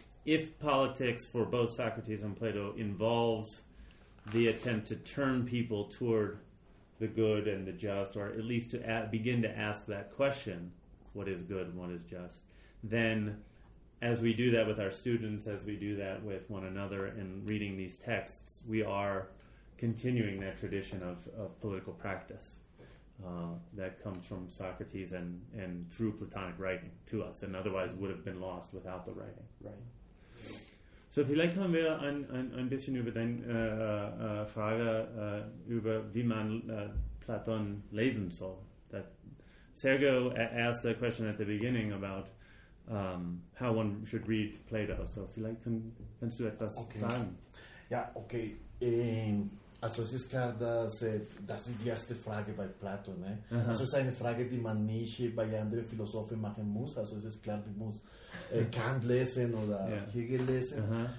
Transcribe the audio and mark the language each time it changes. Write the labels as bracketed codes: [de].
[en] if politics for both Socrates and Plato involves the attempt to turn people toward the good and the just, or at least to begin to ask that question, what is good and what is just, then as we do that with our students, as we do that with one another in reading these texts, we are continuing that tradition of political practice that comes from Socrates and through Platonic writing to us, and otherwise would have been lost without the writing. Right. [de] So vielleicht haben wir ein bisschen über deine Frage über wie man Platon lesen soll. [en] That Sergio asked a question at the beginning about how one should read Plato. [de] So vielleicht kannst du etwas sagen. Ja, okay. Also es ist klar, dass das ist die erste Frage bei Platon. Ne? Uh-huh. Also es ist eine Frage, die man nicht bei anderen Philosophen machen muss. Also es ist klar, man muss Kant lesen oder Hegel lesen. Uh-huh.